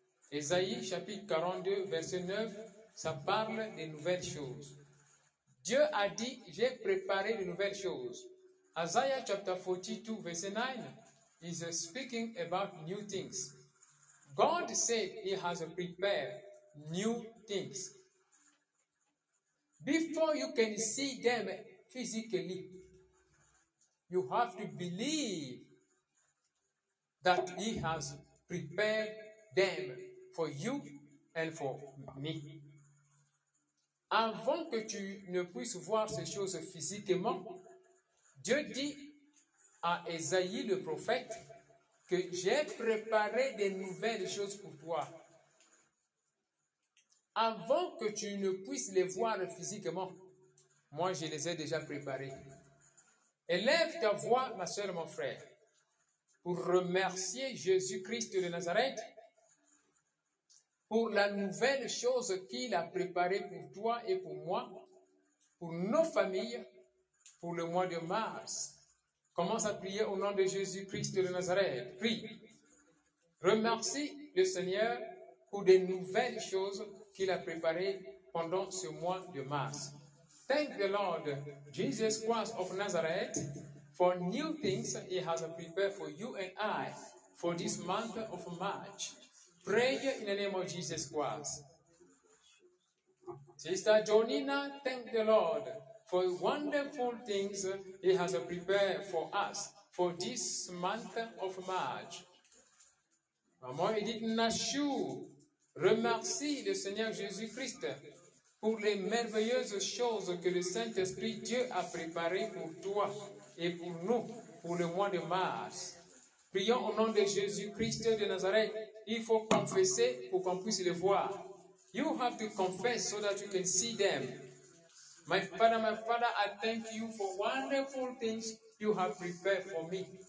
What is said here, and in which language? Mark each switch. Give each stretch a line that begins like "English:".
French: Ésaïe chapitre 42, verset 9, ça parle de nouvelles choses. Dieu a dit, j'ai préparé de nouvelles choses.
English: Isaiah chapter 42, verset 9, is speaking about new things. God said he has prepared new things. Before you can see them physically, you have to believe that he has prepared them for you and for me.
French: Avant que tu ne puisses voir ces choses physiquement, Dieu dit à Ésaïe le prophète que j'ai préparé de nouvelles choses pour toi. Avant que tu ne puisses les voir physiquement, moi je les ai déjà préparées. Élève ta voix, ma soeur, mon frère, pour remercier Jésus-Christ de Nazareth pour la nouvelle chose qu'il a préparée pour toi et pour moi, pour nos familles, pour le mois de mars. Commence à prier au nom de Jésus-Christ de Nazareth. Prie. Remercie le Seigneur pour des nouvelles choses qu'il a préparées pendant ce mois de mars.
English: Thank the Lord, Jesus Christ of Nazareth, for new things he has prepared for you and I for this month of March. Pray in the name of Jesus Christ. Sister Jonina, thank the Lord for wonderful things he has prepared for us for this month of March.
French: Maman Edith Nashu, remercie le Seigneur Jésus-Christ pour les merveilleuses choses que le Saint-Esprit Dieu a préparées pour toi et pour nous pour le mois de mars. Prions au nom de Jésus-Christ de Nazareth. Il faut confesser pour qu'on puisse les voir.
English: You have to confess so that you can see them. My father, I thank you for wonderful things you have prepared for me.